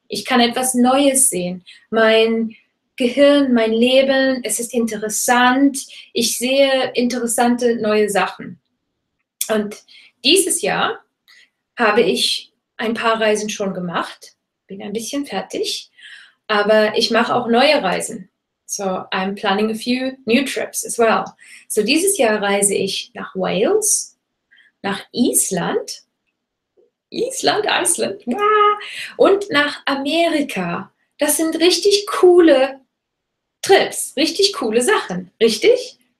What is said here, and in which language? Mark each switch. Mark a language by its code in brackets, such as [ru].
[de] Ich kann etwas Neues sehen. Mein Gehirn, mein Leben, es ist interessant. Ich sehe interessante neue Sachen. Und dieses Jahr habe ich ein paar Reisen schon gemacht. Bin ein bisschen fertig. Aber ich mache auch neue Reisen. [en] So I'm planning a few new trips as well. [de] So dieses Jahr reise ich nach Wales, nach Island. Island. Ja. Und nach Amerika. Das sind richtig coole Trips, richtig coole Sachen, richtig?